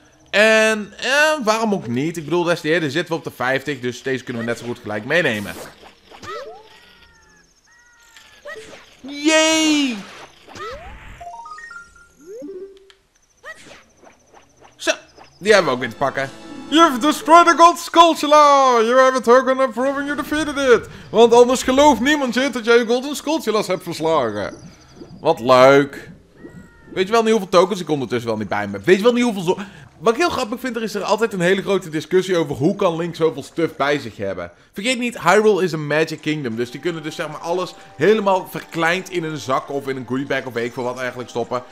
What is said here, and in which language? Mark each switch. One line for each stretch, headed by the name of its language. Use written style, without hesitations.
Dutch: En waarom ook niet? Ik bedoel, des te eerder zitten we op de 50, dus deze kunnen we net zo goed gelijk meenemen. Yay! Zo, die hebben we ook weer te pakken.
English: You've destroyed a gold scultula! You have a token of proving you defeated it!
Dutch: Want anders gelooft niemand je dat jij je golden scultulas hebt verslagen. Wat leuk. Weet je wel niet hoeveel tokens ik ondertussen wel niet bij me heb? Weet je wel niet hoeveel zo... Wat ik heel grappig vind, er is er altijd een hele grote discussie over hoe kan Link zoveel stuff bij zich hebben. Vergeet niet, Hyrule is een Magic Kingdom. Dus die kunnen dus zeg maar alles helemaal verkleind in een zak of in een goodiebag of weet ik veel wat eigenlijk stoppen.